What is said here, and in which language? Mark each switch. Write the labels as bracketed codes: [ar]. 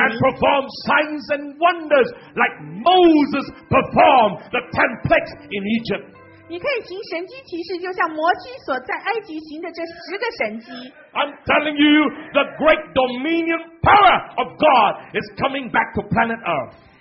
[en] And perform signs and wonders like Moses performed the 10 plagues in Egypt. [zh] 你可以行神迹奇事，就像摩西所在埃及行的这十个神迹。 [en] I'm telling you, the great dominion power of God is coming back to planet Earth.